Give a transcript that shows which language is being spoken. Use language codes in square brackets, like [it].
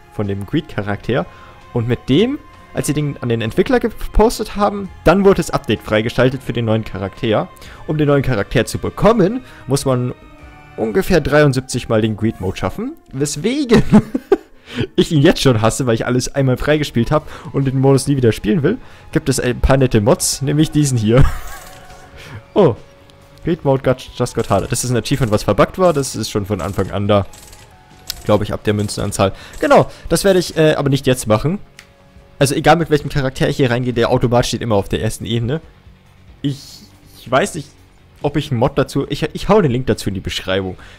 [de] Von dem Greed-Charakter. Und mit dem, als sie den an den Entwickler gepostet haben, dann wurde das Update freigeschaltet für den neuen Charakter. Um den neuen Charakter zu bekommen, muss man ungefähr 73 Mal den Greed-Mode schaffen. Weswegen ich ihn jetzt schon hasse, weil ich alles einmal freigespielt habe und den Modus nie wieder spielen will, gibt es ein paar nette Mods, nämlich diesen hier. [en] Oh, Greed Mode just got harder. [de] Das ist ein Achievement, was verbuggt war, das ist schon von Anfang an da, glaube ich, ab der Münzenanzahl. Genau, das werde ich aber nicht jetzt machen. Also egal mit welchem Charakter ich hier reingehe, der Automat steht immer auf der ersten Ebene. Ich weiß nicht, ob ich einen Mod dazu, ich hau den Link dazu in die Beschreibung.